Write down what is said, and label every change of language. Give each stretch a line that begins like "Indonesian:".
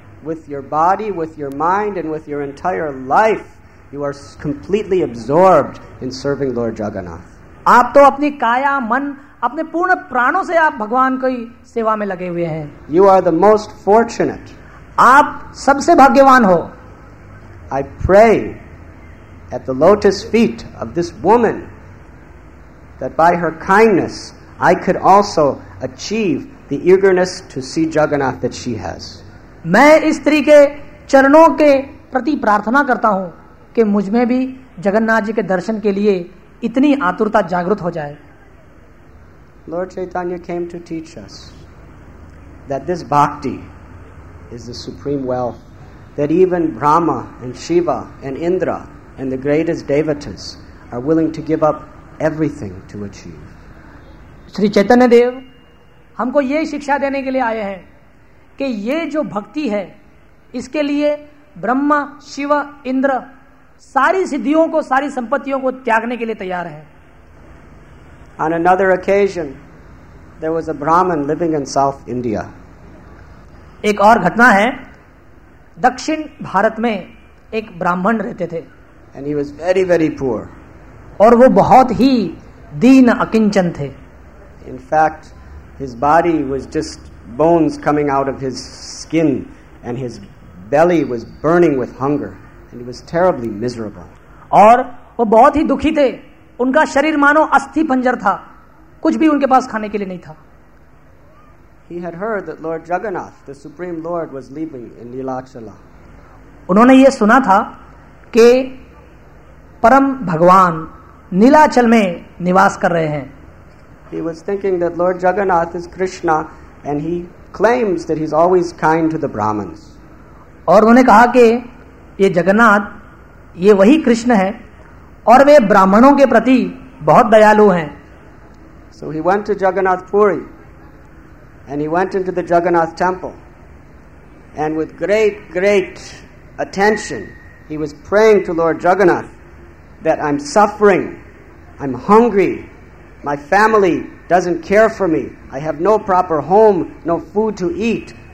English: With your body, with your mind and with your entire life, you are completely absorbed in serving Lord Jagannath.
Hindi: आप तो अपनी काया मन अपने पूर्ण प्राणों से आप भगवान की सेवा में लगे हुए हैं।
English: You are the most fortunate.
Hindi: आप सबसे भाग्यवान हो।
English: I pray at the lotus feet of this woman that by her kindness I could also achieve the eagerness to see Jagannath that she has.
Hindi: मैं इस स्त्री के चरणों के प्रति प्रार्थना करता हूं कि मुझ में भी जगन्नाथ जी के दर्शन के लिए इतनी आतुरता जागृत हो जाए।
English: Lord Chaitanya came to teach us that this bhakti is the supreme wealth, that even Brahma and Shiva and Indra and the greatest devatas are willing to give up everything to achieve.
Hindi: Shri Chaitanya देव हमको ये शिक्षा देने के लिए आए हैं कि ये जो भक्ति है इसके लिए ब्रह्मा शिव इंद्र सारी सिद्धियों को सारी संपत्तियों को त्यागने के लिए तैयार है।
English: On another occasion, there was a Brahmin living in South India.
Hindi: एक और घटना है, दक्षिण भारत में एक ब्राह्मण रहते थे।
English: And he was very, very poor.
Hindi: और वो बहुत ही दीन अकिंचन थे।
English: In fact, his body was just bones coming out of his skin, and his belly was burning with hunger, and he was terribly miserable.
Hindi: और वो बहुत ही दुखी थे। उनका शरीर मानो अस्थि पंजर था, कुछ भी उनके पास खाने के लिए नहीं था।
English: He had heard that Lord Jagannath, the Supreme Lord, was living in Neelachala.
Hindi: उन्होंने ये सुना था कि परम भगवान नीलाचल में निवास कर रहे हैं।
English: He was thinking that Lord Jagannath is Krishna, and he claims that he's always kind to the Brahmins.
Hindi: और उन्होंने कहा कि ये जगन्नाथ ये वही कृष्ण है और वे ब्राह्मणों के प्रति बहुत दयालु हैं।
English: So he went to Jagannath Puri and he went into the Jagannath temple and with great, great attention he was praying to Lord Jagannath that I'm suffering, I'm hungry, my family doesn't care for me, I have no proper home, no food to eat.